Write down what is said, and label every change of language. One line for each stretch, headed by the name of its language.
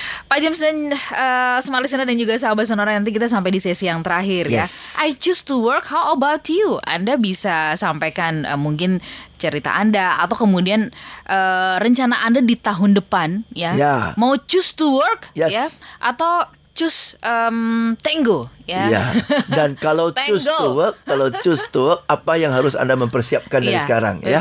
Indonesian: Pak James dan Smart Listener dan juga sahabat Sonora, nanti kita sampai di sesi yang terakhir ya.
English: I choose to work, how about you?
Indonesian: Anda bisa sampaikan mungkin cerita Anda atau kemudian rencana Anda di tahun depan ya. Mau
English: choose to work
Indonesian: ya, atau
English: choose tango
Indonesian: ya. Dan kalau
English: choose to work
Indonesian: apa yang harus Anda mempersiapkan dari sekarang ya?